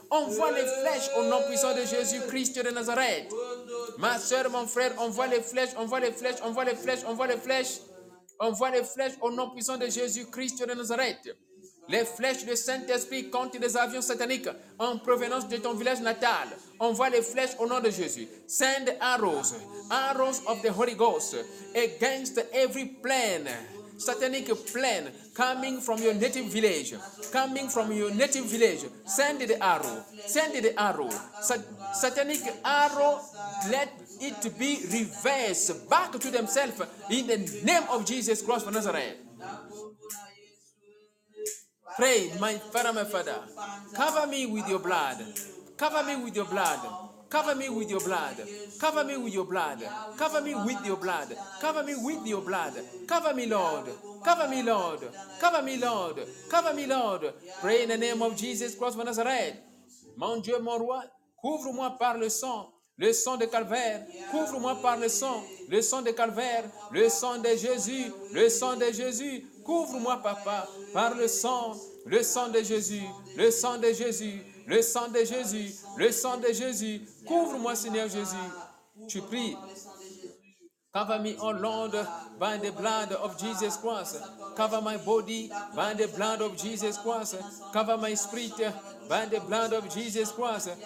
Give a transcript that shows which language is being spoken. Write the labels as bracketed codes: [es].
[fr] Envoie les flèches au nom puissant de Jésus-Christ de Nazareth. Ma soeur, mon frère, envoie les flèches, envoie les flèches, envoie les flèches, envoie les flèches, envoie les flèches au nom puissant de Jésus-Christ de Nazareth. Les flèches du Saint-Esprit contre les avions sataniques en provenance de ton village natal. Envoie les flèches au nom de Jésus. [en] Send arrows, arrows of the Holy Ghost against every plan, satanic plan coming from your native village, coming from your native village. Send the arrow, satanic arrow, let it be reversed back to themselves in the name of Jesus Christ of Nazareth. Pray, my Father, cover me with your blood. Cover me with your blood. Cover me with your blood. Cover me with your blood. Cover me with your blood. Cover me with your blood. Cover me, Lord. Cover me, Lord. Cover me, Lord. Cover me, Lord. Pray in the name of Jesus Christ of Nazareth. [fr] Mon Dieu, mon roi, couvre-moi par le sang. Le sang de Calvaire, couvre-moi par le sang, le sang de Calvaire, le sang de Jésus, le sang de Jésus, couvre-moi, papa, par le sang de Jésus, le sang de Jésus, le sang de Jésus, le sang de Jésus, couvre-moi, Seigneur Jésus. Tu pries. [en] Cover me, O Lord, by the blood of Jesus Christ. Cover my body by the blood of Jesus Christ. Cover my spirit by the blood of Jesus Christ.